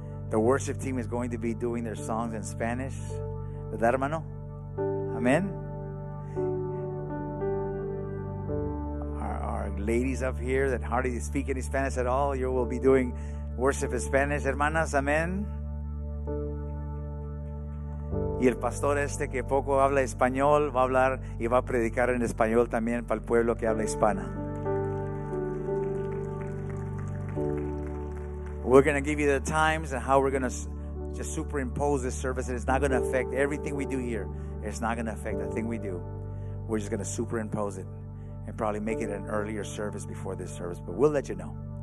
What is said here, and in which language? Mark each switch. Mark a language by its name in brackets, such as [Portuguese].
[English] The worship team is going to be doing their songs in Spanish. [Spanish] ¿Verdad, hermano? [English] Amen. Our ladies up here that hardly speak any Spanish at all, you will be doing worship in Spanish. [Spanish] Hermanas, amen. Y el pastor este que poco habla español va a hablar y va a predicar en español también para el pueblo que habla hispana. [English] We're going to give you the times and how we're going to just superimpose this service. And it's not going to affect everything we do here. It's not going to affect the thing we do. We're just going to superimpose it and probably make it an earlier service before this service. But we'll let you know.